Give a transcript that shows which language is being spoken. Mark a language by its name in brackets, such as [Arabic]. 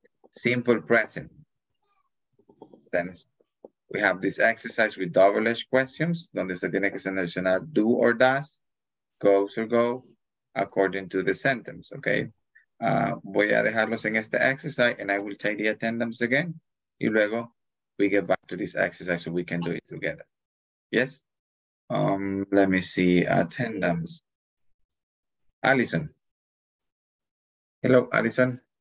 [English] Simple present. Then we have this exercise with double-edged questions. [Spanish] Donde se tiene que seleccionar [English] do or does. Goes or go according to the sentence, okay? [Spanish] Voy a dejarlos en este [English] exercise and I will take the attendance again. [Spanish] Y luego [English] we get back to this exercise so we can do it together. Yes? Let me see attendance. Allison. Hello, Allison.